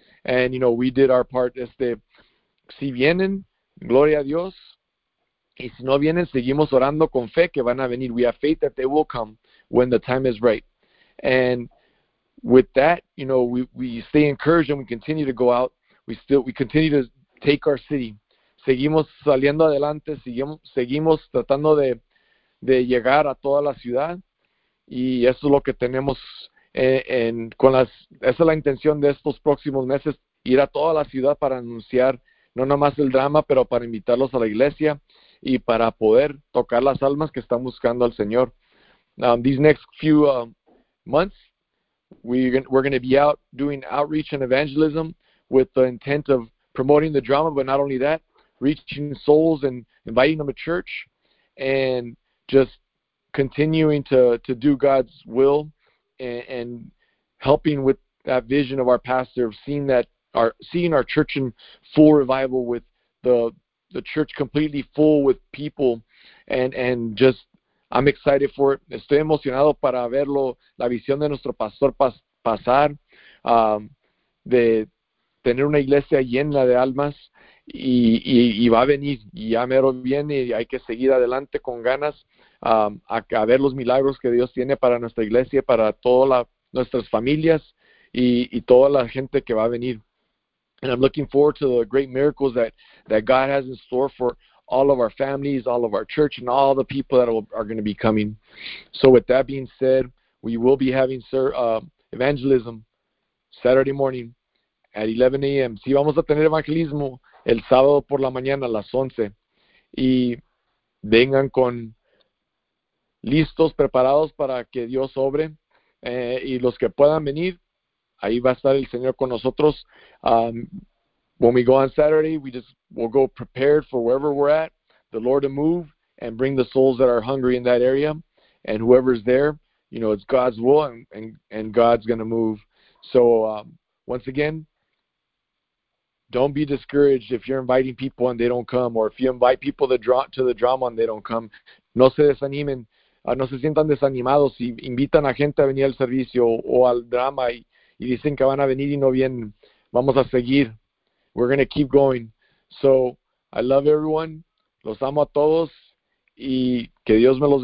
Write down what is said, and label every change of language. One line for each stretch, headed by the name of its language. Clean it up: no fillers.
English: And you know, we did our part.
Spanish: Si vienen, gloria a Dios. Y si no vienen, seguimos orando con fe que van a venir.
English: We have faith that they will come when the time is right. And with that, you know, we stay encouraged and we continue to go out. We continue to take our city.
Spanish: Seguimos saliendo adelante, seguimos tratando de llegar a toda la ciudad. Y eso es lo que tenemos esa es la intención de estos próximos meses, ir a toda la ciudad para anunciar no nomás el drama, pero para invitarlos a la iglesia y para poder tocar las almas que están buscando al Señor.
English: These next few months, we're going to be out doing outreach and evangelism with the intent of promoting the drama, but not only that, reaching souls and inviting them to church and just continuing to do God's will. And helping with that vision of our pastor, of seeing our church in full revival, with the church completely full with people, and just I'm excited for it.
Spanish: Estoy emocionado para verlo, la visión de nuestro pastor pasar, de tener una iglesia llena de almas y va a venir, y ya mero viene, y hay que seguir adelante con ganas. A ver los milagros que Dios tiene para nuestra iglesia, para todas nuestras familias y toda la gente que va a venir.
English: And I'm looking forward to the great miracles that God has in store for all of our families, all of our church, and all the people that are going to be coming. So with that being said, we will be having evangelism Saturday morning at 11 a.m.
Spanish: Sí, vamos a tener evangelismo el sábado por la mañana a las 11. Y vengan con listos, preparados para que Dios obre. Y los que puedan venir, ahí va a estar el Señor con nosotros.
English: When we go on Saturday, we'll go prepared for wherever we're at, the Lord to move and bring the souls that are hungry in that area. And whoever's there, you know, it's God's will and God's going to move. So once again, don't be discouraged if you're inviting people and they don't come, or if you invite people to the drama and they don't come.
Spanish: No se desanimen. No se sientan desanimados si invitan a gente a venir al servicio o al drama y dicen que van a venir y no vienen. Vamos a seguir.
English: We're going to keep going. So, I love everyone.
Spanish: Los amo a todos y que Dios me los bendiga. Que pasen muy buenas noches en el nombre de Jesús.
English: Have a wonderful evening.